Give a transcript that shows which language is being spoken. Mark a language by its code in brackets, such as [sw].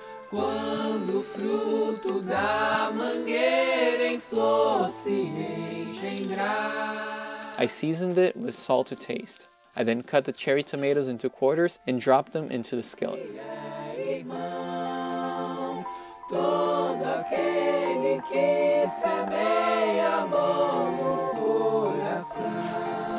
[pt] Quando o fruto da mangueira em flor se engendrar. [en] I seasoned it with salt to taste. I then cut the cherry tomatoes into quarters and dropped them into the skillet. [pt] Todo aquele que semeia bom no coração.